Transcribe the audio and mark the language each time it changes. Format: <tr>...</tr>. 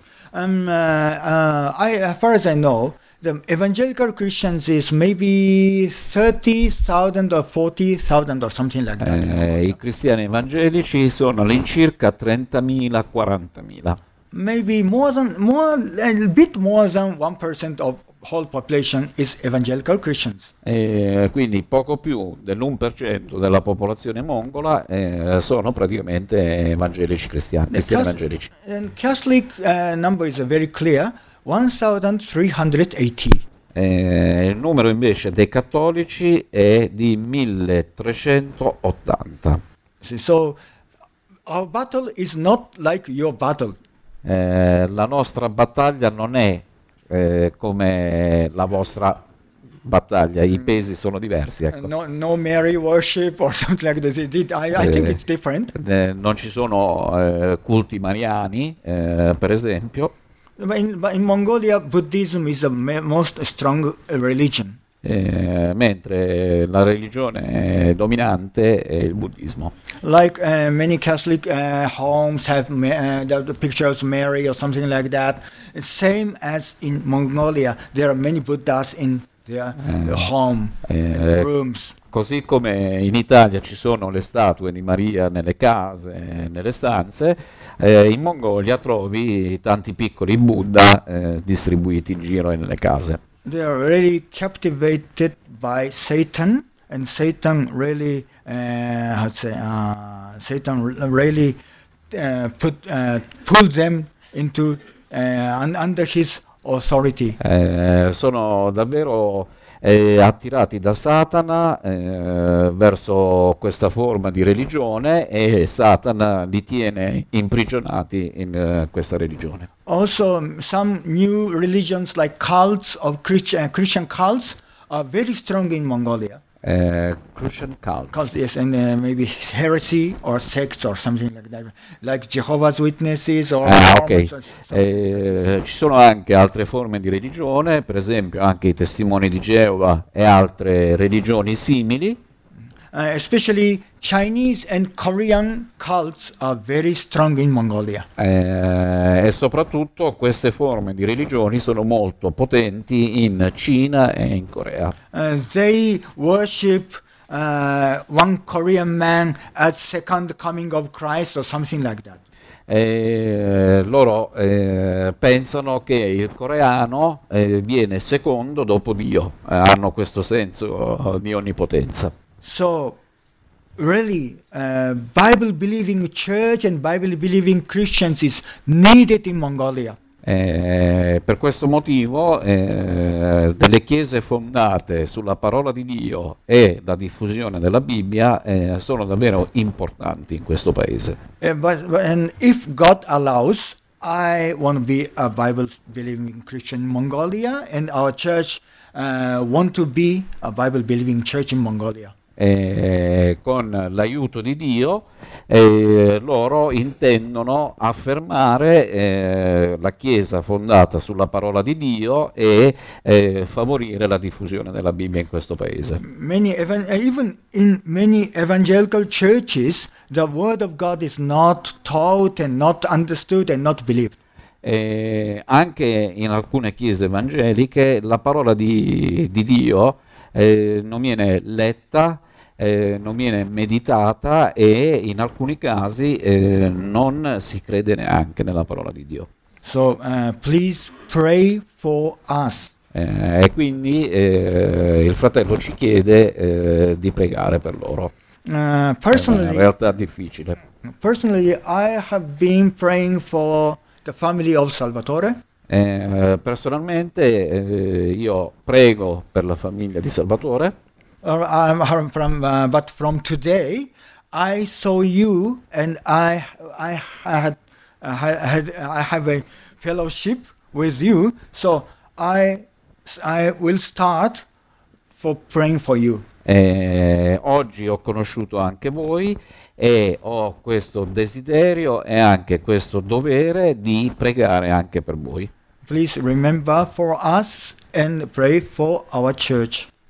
<en>Far as I know, the evangelical Christians is maybe 30,000 or 40,000 or something like that.</en> <it>I cristiani evangelici sono all'incirca 30,000-40,000.</it> <en>Maybe a bit more than 1% of whole population is evangelical Christians.</en> <it>Quindi poco più dell'1% della popolazione mongola sono praticamente evangelici cristiani evangelici.</it> <en>The Catholic number is very clear. 1380.</en> <it>Il numero invece dei cattolici è di 1380.</it> <en>So our battle is not like your battle.</en> <it>La nostra battaglia non è come la vostra battaglia, i pesi sono diversi, ecco.</it> <en>No Mary worship or something like this. I think it's different.</en> <it>Non ci sono culti mariani, per esempio.</it> <en>In Mongolia Buddhism is the most strong religion.</en> <it>Mentre la religione dominante è il buddismo.</it> <en>Like many Catholic homes have the pictures of Mary or something like that. Same as in Mongolia, there are many Buddhas in their home rooms.</en> <it>Così come in Italia ci sono le statue di Maria nelle case, nelle stanze, in Mongolia trovi tanti piccoli Buddha distribuiti in giro e nelle case.</it> <en>They are really captivated by Satan, and Satan really, Satan really pulled them into under his authority.</en> <it>Sono davvero attirati da Satana verso questa forma di religione, e Satana li tiene imprigionati in questa religione.</it> <en>Also, some new religions like cults of Christian cults are very strong in Mongolia. Christian cults. Cults, yes, and maybe heresy or sects or something like that, like Jehovah's Witnesses or. Okay.</en> <it>Ci sono anche altre forme di religione, per esempio anche i testimoni di Geova e altre religioni simili.</it> <en>Especially Chinese and Korean cults are very strong in Mongolia.</en> <it>E soprattutto queste forme di religioni sono molto potenti in Cina e in Corea.</it> <en>They worship one Korean man at second coming of Christ or something like that.</en> <it>Loro pensano che il coreano viene secondo dopo Dio. Hanno questo senso di onnipotenza.</it> <en>So, really, Bible-believing church and Bible-believing Christians is needed in Mongolia.</en> <it>Per questo motivo, delle chiese fondate sulla parola di Dio e la diffusione della Bibbia sono davvero importanti in questo paese.</it> <en>And if God allows, I want to be a Bible-believing Christian in Mongolia, and our church want to be a Bible-believing church in Mongolia.</en> <it>con l'aiuto di Dio, loro intendono affermare la Chiesa fondata sulla parola di Dio e favorire la diffusione della Bibbia in questo paese.</it> <en>Even in many evangelical churches, the word of God is not taught and not understood and not believed.</en> <it>Anche in alcune chiese evangeliche la parola di Dio non viene letta, non viene meditata e in alcuni casi non si crede neanche nella parola di Dio.</it> <en>So, please pray for us.</en> <it>E quindi il fratello ci chiede di pregare per loro.</it> <en>Personally,</en> <it>è una realtà difficile.</it> <en>Personally, I have been praying for the family of Salvatore.</en> <it>Personalmente io prego per la famiglia di Salvatore.</it> <en>But from today I saw you and I have a fellowship with you, so I will start for praying for you.</en> <it>Oggi ho conosciuto anche voi e ho questo desiderio e anche questo dovere di pregare anche per voi.</it> <en>Please remember for us and pray for our church.</en>